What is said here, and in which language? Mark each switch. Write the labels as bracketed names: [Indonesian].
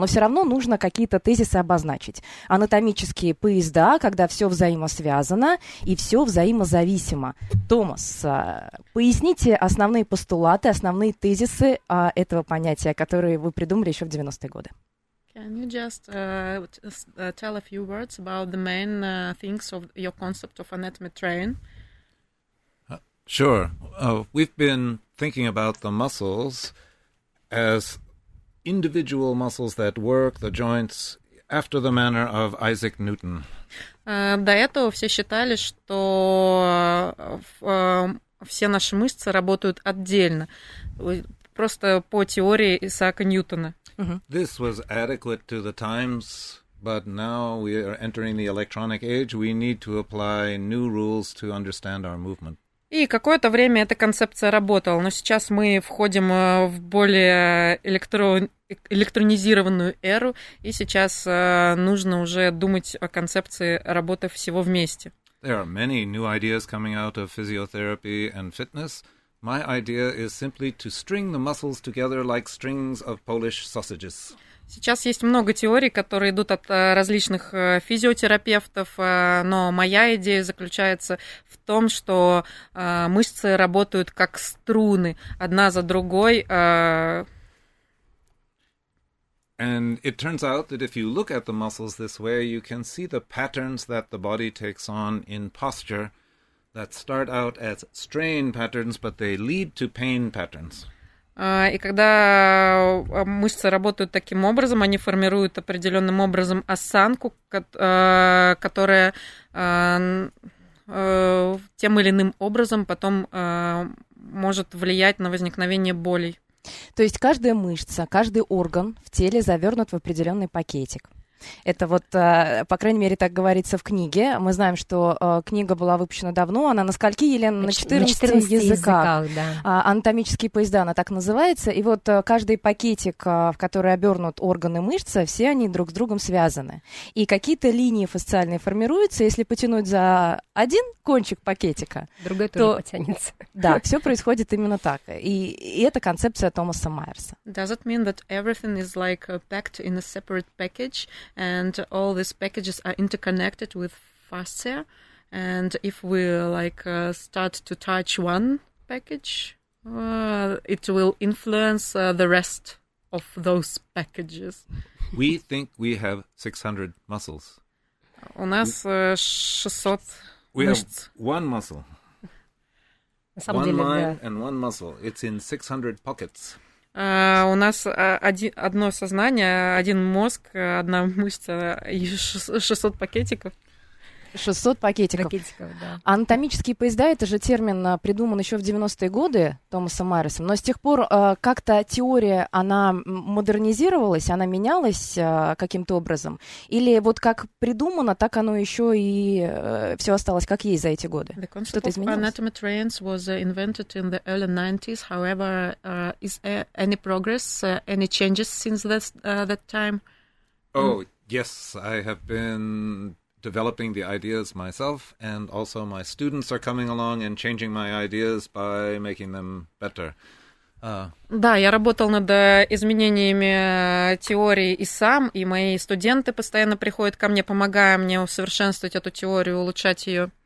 [Russian] Но все равно нужно какие-то тезисы обозначить. Анатомические поезда, когда все взаимосвязано и все взаимозависимо. Томас, поясните основные постулаты, основные тезисы этого понятия, которые вы придумали еще в 90-е годы. [English] Can you just tell a few words about the main things of your concept of anatomy train? Sure. We've been thinking about the muscles as individual muscles that work, the joints, after the manner of Isaac Newton. [Russian] До этого все считали, что все наши мышцы работают отдельно, просто по теории Исаака Ньютона. [English] This was adequate to the times, but now we are entering the electronic age, we need to apply new rules to understand our movement. [Russian] И какое-то время эта концепция работала, но сейчас мы входим в более электронизированную эру, и сейчас нужно уже думать о концепции работы всего вместе. [English] There are many new ideas coming out of physiotherapy and fitness. My idea is simply to string the muscles together like strings of Polish sausages. [Russian] Сейчас есть много теорий, которые идут от различных физиотерапевтов, но моя идея заключается в том, что мышцы работают как струны, одна за другой. [English] And it turns out that if you look at the muscles this way, you can see the patterns that the body takes on in posture that start out as strain patterns, but they lead to pain patterns. [Russian] И когда мышцы работают таким образом, они формируют определенным образом осанку, которая тем или иным образом потом может влиять на возникновение болей. То есть каждая мышца, каждый орган в теле завернут в определенный пакетик. Это вот, по крайней мере, так говорится в книге. Мы знаем, что книга была выпущена давно. Она на скольки, Елена? На 14 языках. Да. Анатомические поезда, она так называется. И вот каждый пакетик, в который обернут органы мышцы, все они друг с другом связаны. И какие-то линии фасциальные формируются. Если потянуть за один кончик пакетика, другой то тоже потянется. Да, все происходит именно так. И это концепция Томаса Майерса. [English] Does it mean that everything is like packed in a separate package? And all these packages are interconnected with fascia, and if we like start to touch one package, it will influence the rest of those packages. We think we have 600 muscles. [Russian] У нас 600 мышц. [English] One muscle. One mind and one muscle. It's in 600 pockets. [Russian] У нас одно сознание, один мозг, одна мышца и 600 пакетиков. 600 пакетиков. Пакетиков, да. Анатомические поезда — это же термин придуман еще в 90-е годы Томасом Майерсом, но с тех пор как-то теория, она модернизировалась, она менялась каким-то образом? Или вот как придумано, так оно еще и все осталось как есть за эти годы? Что-то изменилось? [English] Anatomy trains was invented in the early 90s. However, is any progress, any changes since this, that time? Oh, yes, I have been developing the ideas myself, and also my students are coming along and changing my ideas by making them better. [Russian] Да, я работал над изменениями теории и сам, и мои студенты постоянно приходят ко мне, помогая мне усовершенствовать эту теорию, улучшать ее.